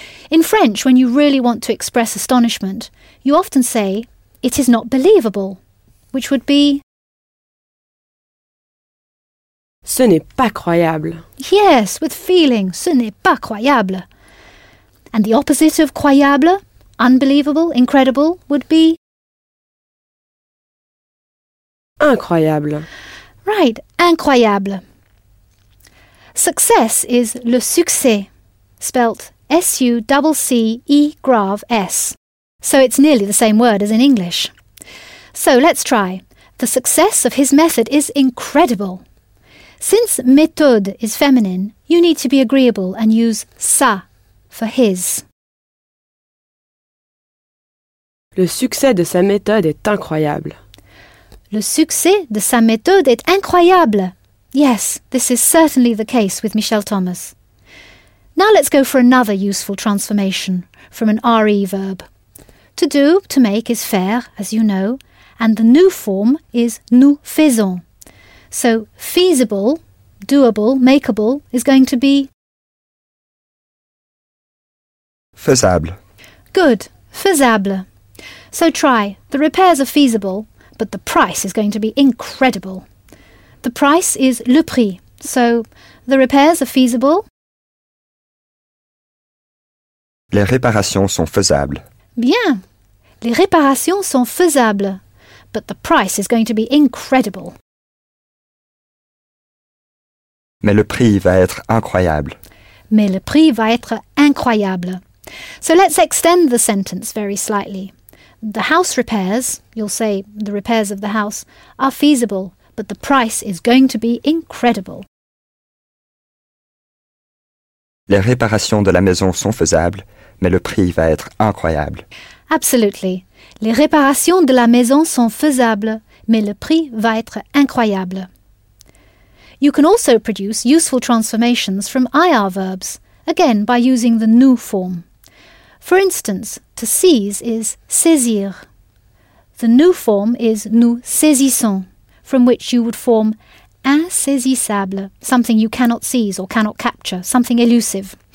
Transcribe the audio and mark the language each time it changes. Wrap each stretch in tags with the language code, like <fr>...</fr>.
<en>In French, when you really want to express astonishment, you often say, it is not believable, which would be</en> <fr>ce n'est pas croyable.</fr> <en>Yes, with feeling,</en> <fr>ce n'est pas croyable.</fr> <en>And the opposite of croyable, unbelievable, incredible, would be</en> <fr>incroyable.</fr> <en>Right, incroyable. Success is le succès, spelt S-U-C-C-E-grave-S. So it's nearly the same word as in English. So let's try. The success of his method is incredible. Since méthode is feminine, you need to be agreeable and use sa for his.</en> <fr>Le succès de sa méthode est incroyable. Le succès de sa méthode est incroyable.</fr> <en>Yes, this is certainly the case with Michel Thomas. Now let's go for another useful transformation from an RE verb. To do, to make, is faire, as you know, and the new form is nous faisons. So, feasible, doable, makeable, is going to be</en> <fr>faisable.</fr> <en>Good, faisable. So try, the repairs are feasible, but the price is going to be incredible. The price is le prix, so the repairs are feasible.</en> <fr>Les réparations sont faisables. Bien, les réparations sont faisables.</fr> <en>but the price is going to be incredible.</en> <fr>Mais le prix va être incroyable. Mais le prix va être incroyable.</fr> <en>So let's extend the sentence very slightly. The house repairs, you'll say the repairs of the house, are feasible, but the price is going to be incredible.</en> <fr>Les réparations de la maison sont faisables, mais le prix va être incroyable.</fr> <en>Absolutely.</en> <fr>Les réparations de la maison sont faisables, mais le prix va être incroyable.</fr> <en>You can also produce useful transformations from IR verbs, again by using the nous form. For instance, to seize is saisir. The nous form is nous saisissons, from which you would form insaisissable, something you cannot seize or cannot capture, something elusive.</en>